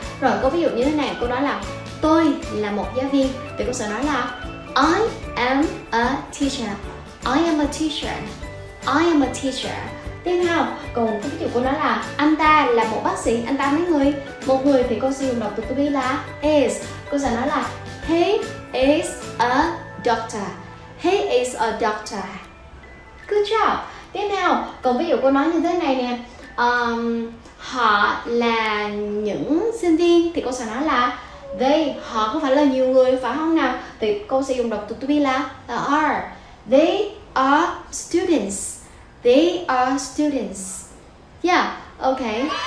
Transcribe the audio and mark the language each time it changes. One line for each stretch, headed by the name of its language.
Vietnamese: Rồi có ví dụ như thế này, cô nói là tôi là một giáo viên, thì cô sẽ nói là
English: I am a teacher,
Vietnamese: I am a teacher, I am a teacher. Tiếp theo còn có ví dụ cô nói là anh ta là một bác sĩ, anh ta mấy người, một người, thì cô sẽ dùng động từ to be là is. Cô sẽ nói là
English: he is a doctor, he is a doctor. Good job.
Vietnamese: Tiếp theo, còn ví dụ cô nói như thế này nè, họ là những sinh viên, thì cô sẽ nói là they, họ không phải là nhiều người phải không nào, thì cô sẽ dùng động từ to be là are.
English: They are students, they are students. Yeah, okay.